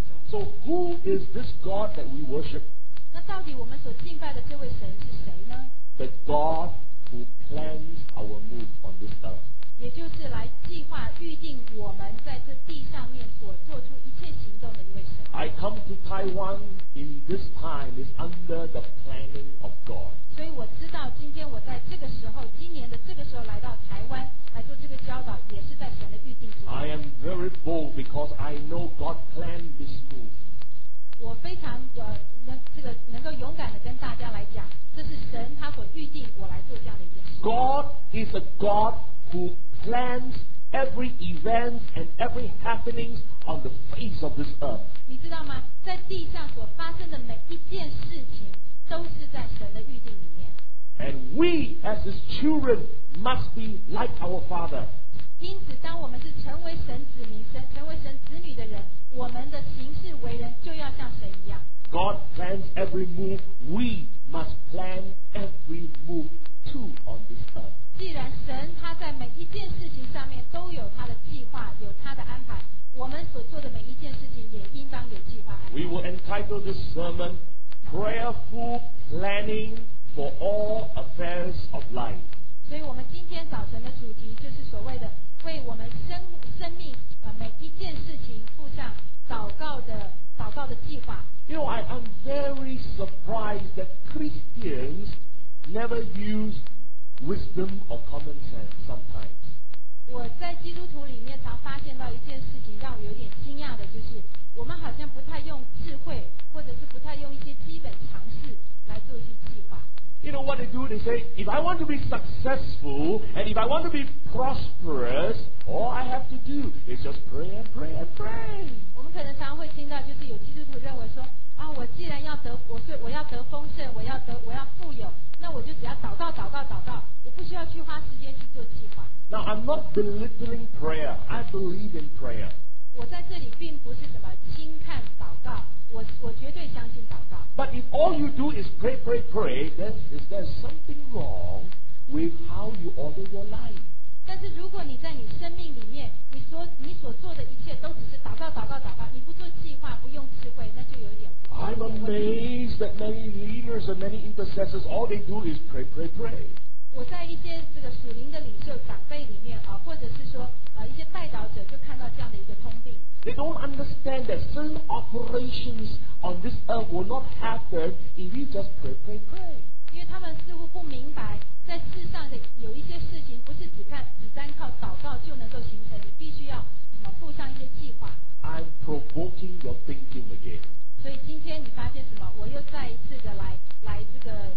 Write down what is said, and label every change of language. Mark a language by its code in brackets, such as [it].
[en] So who is this God that we worship? [zh] 那到底我们所敬拜的这位神是谁呢？ [en] The God who plans our move on this earth. [zh] 也就是来计划预定我们在这地上面所做出一切行动的一位神。 [en] I come to Taiwan in this time is under the planning of God. [zh] 所以我知道今天我在这个时候，今年的这个时候来到台湾来做这个教导，也是在神的预定之中。 [en] I am very bold because I know God planned this move. [zh] 我非常能够勇敢的跟大家来讲，这是神他所预定我来做这样的一件事。 [en] God is a God who plans every event and every happenings on the face of this earth. [zh] 你知道吗？在地上所发生的每一件事情，都是在神的预定里面。 [en] And we as His children must be like our Father. [zh] 因此当我们是成为神子民成为神子女的人，我们的行事为人就要像神一样。 [en] God plans every move, we must plan every move too on this earth. [zh] 既然神他在每一件事情上面都有他的计划，有他的安排，我们所做的每一件事情也应当有计划安排。 [en] We will entitle this sermon Prayerful Planning for All Affairs of Life. [zh] 所以我们今天早晨的主题就是所谓的为我们 生命、每一件事情附上祷告的计划。 [en] You know, I am very surprised that Christians never use wisdom or common sense sometimes. [zh] 我在基督徒里面常发现到一件事情让我有点惊讶的，就是我们好像不太用智慧，或者是不太用一些基本常识来做一些计划。 [en] You know what they do? They say, if I want to be successful and if I want to be prosperous, all I have to do is just pray and pray and pray. [zh] 我们可能常会听到，就是有基督徒认为说，啊，我既然要得，我要得丰盛，我要富有，那我就只要祷告，祷告，祷告，我不需要去花时间去做计划。 [en] Now I'm not belittling prayer. I believe in prayer. [zh] 我在这里并不是什么轻看祷告。我绝对相信祷告。 [en] But if all you do is pray, pray, pray, then is there something wrong with how you order your life? [zh] 但是如果你在你生命里面，你所做的一切都只是祷告，祷告，祷告，你不做计划，不用智慧，那就有点。 [en] I'm amazed that many leaders and many intercessors, all they do is pray, pray, pray. [zh] 我在一些这个属灵的领袖长辈里面啊，或者是说一些代祷者，就看到这样的一个通病。 [en] They don't understand that certain operations on this earth will not happen if you just pray, pray, pray. [zh] 因为他们似乎不明白，在世上的有一些事情不是只单靠祷告就能够形成，你必须要什么附上一些计划。 [en] I'm provoking your thinking again. [zh] 所以今天你发现什么？我又再一次的来这个。